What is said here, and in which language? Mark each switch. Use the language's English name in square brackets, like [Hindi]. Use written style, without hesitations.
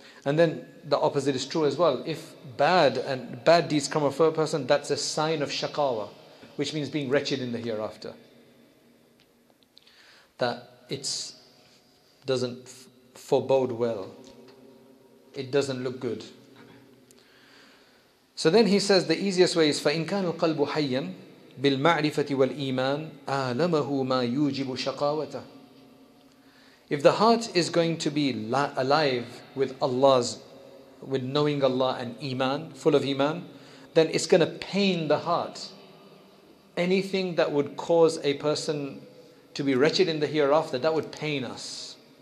[English] And then the opposite is true as well. If bad deeds come from a person, that's a sign of shakawa, which means being wretched in the hereafter. That it doesn't forebode well. It doesn't look good. So then he says the easiest way is [Arabic] فَإِنْ كَانُ الْقَلْبُ حَيًّا بِالْمَعْرِفَةِ وَالْإِيمَانِ أَعْلَمَهُ مَا يُوجِبُ شَقَاوَتَهُ. [English] If the heart is going to be alive with Allah's, with knowing Allah and Iman, full of Iman, then it's going to pain the heart. Anything that would cause a person to be wretched in the hereafter, that would pain us.